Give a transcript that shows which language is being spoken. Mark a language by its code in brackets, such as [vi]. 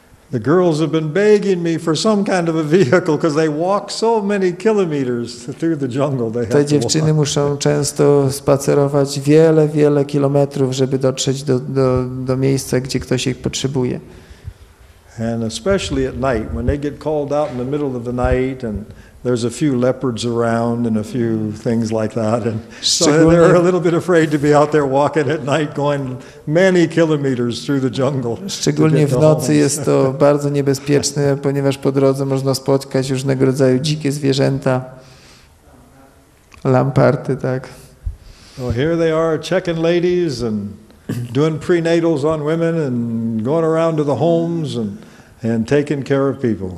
[en] The girls have been begging me for some kind of a vehicle because they walk so many kilometers through the jungle. [pl] Te dziewczyny muszą często spacerować wiele, wiele kilometrów, żeby dotrzeć do miejsca, gdzie ktoś ich potrzebuje. [en] And especially at night when they get called out in the middle of the night and there's a few leopards around and a few things like that, and so they're a little bit afraid to be out there walking at night, going many kilometers through the jungle. [pl] Szczególnie w nocy jest to bardzo niebezpieczne, ponieważ po drodze można spotkać różnego rodzaju dzikie zwierzęta, lamparty, tak. [en] So here they are checking ladies and doing prenatals on women and going around to the homes and taking care of people.